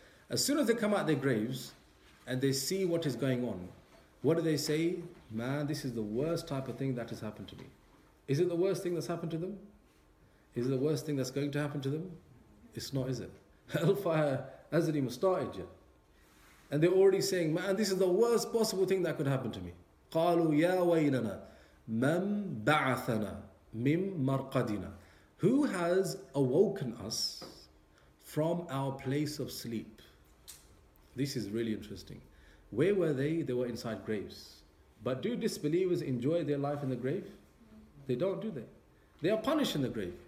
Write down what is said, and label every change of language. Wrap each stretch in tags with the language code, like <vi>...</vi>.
<en>As soon as they come out of their graves and they see what is going on, what do they say? Man, this is the worst type of thing that has happened to me. Is it the worst thing that's happened to them? Is it the worst thing that's going to happen to them? It's not, is it? Hellfire hasn't even started yet. And they're already saying, man, this is the worst possible thing that could happen to me.</en> <ar>قالوا يا ويلنا من بعثنا من مرقدنا.</ar> <en>Who has awoken us from our place of sleep? This is really interesting. Where were they? They were inside graves. But do disbelievers enjoy their life in the grave? They don't, do they? They are punished in the grave.</en>